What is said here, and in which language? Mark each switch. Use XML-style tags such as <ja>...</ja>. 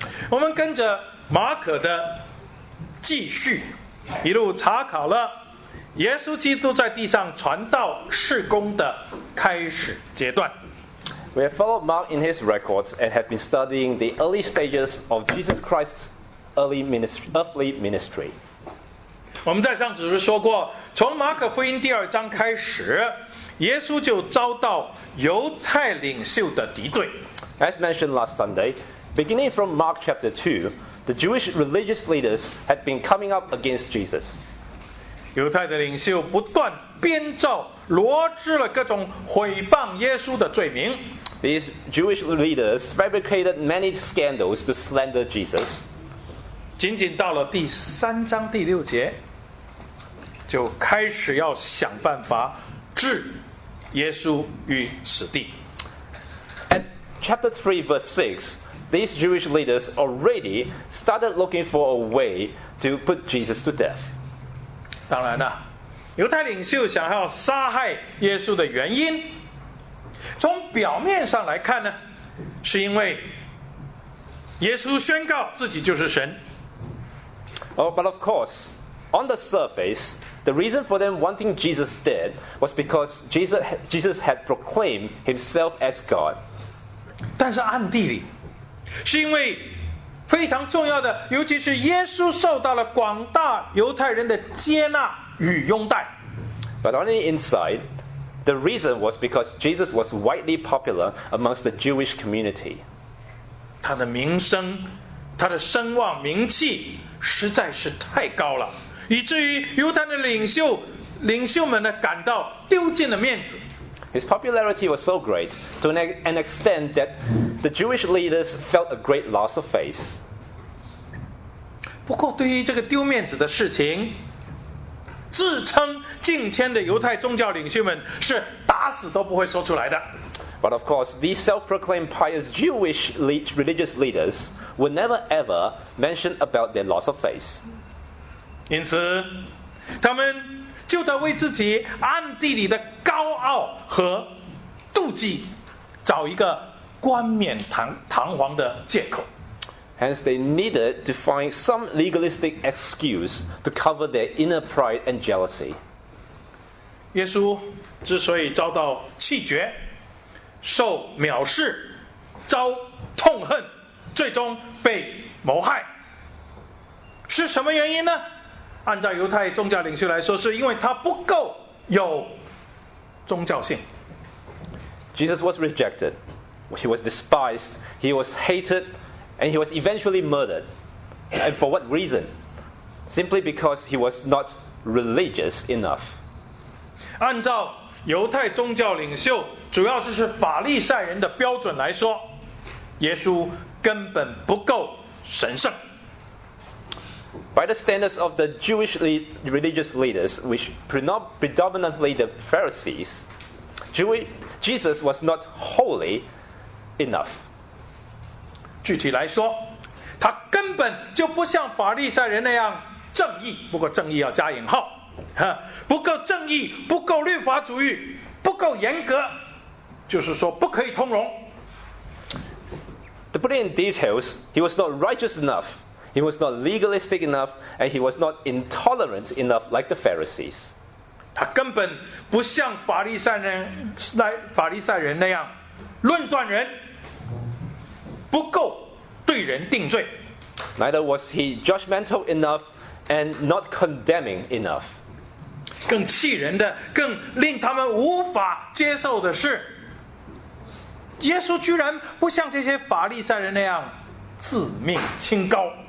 <zh>我们跟着马可的记叙，一路查考了耶稣基督在地上传道事工的开始阶段。</zh> <en>We have followed Mark in his records and have been studying the early stages of Jesus Christ's early ministry, earthly ministry.</en> <zh>我们在上次说过，从马可福音第二章开始，耶稣就遭到犹太领袖的敌对。</zh> <en>As mentioned last Sunday, beginning from Mark chapter 2, the Jewish religious leaders had been coming up against Jesus.</en> <zh>犹太的领袖不断编造罗织了各种毁谤耶稣的罪名。</zh> <en>These Jewish leaders fabricated many scandals to slander Jesus.</en> <zh>仅仅到了第三章第六节，就开始要想办法置耶稣于死地。</zh> <en>At chapter 3 verse 6, these Jewish leaders already started looking for a way to put Jesus to death.</en> <zh>当然了，犹太领袖想要杀害耶稣的原因，从表面上来看呢，是因为耶稣宣告自己就是神。</zh> <en>Oh, but of course, on the surface, the reason for them wanting Jesus dead was because Jesus had proclaimed himself as God.</en> <zh>但是暗地里，是因为非常重要的，尤其是耶稣受到了广大犹太人的接纳与拥戴。</zh> <en>But on the inside, the reason was because Jesus was widely popular amongst the Jewish community.</en> <zh>他的名声，他的声望名气实在是太高了，以至于犹太的领袖们呢感到丢尽了面子。</zh> <en>His popularity was so great to an extent that the Jewish leaders felt a great loss of face.</en> <zh>不过对于这个丢面子的事情，自称敬虔的犹太宗教领袖们是打死都不会说出来的。</zh> <en>But of course, these self-proclaimed pious Jewish religious leaders would never ever mention about their loss of face.</en> <zh>因此，他们就得为自己暗地里的高傲和妒忌找一个冠冕堂皇的借口。</zh> <en>Hence, they needed to find some legalistic excuse to cover their inner pride and jealousy.</en> <zh>耶稣之所以遭到弃绝、受藐视、遭痛恨、最终被谋害，是什么原因呢？按照犹太宗教领袖来说，是因为他不够有宗教性。</zh> <en>Jesus was rejected. He was despised. He was hated. And he was eventually murdered. And for what reason? Simply because he was not religious enough.</en> <zh>按照犹太宗教领袖，主要是法利赛人的标准来说，耶稣根本不够神圣。</zh> <en>By the standards of the Jewish religious leaders, which predominantly the Pharisees, Jesus was not holy enough.</en> <zh>具体来说，他根本就不像法利赛人那样正义，不过正义要加引号，不够正义，不够律法主义，不够严格，就是说不可以通融。</zh> <en>To put it in details, he was not righteous enough, he was not legalistic enough, and he was not intolerant enough like the Pharisees.</en> <zh>他根本不像法利赛人那样论断人，不够对人定罪。</zh> <en>Neither was he judgmental enough and not condemning enough.</en> <zh>更气人的，更令他们无法接受的是，耶稣居然不像这些法利赛人那样自命清高。</zh>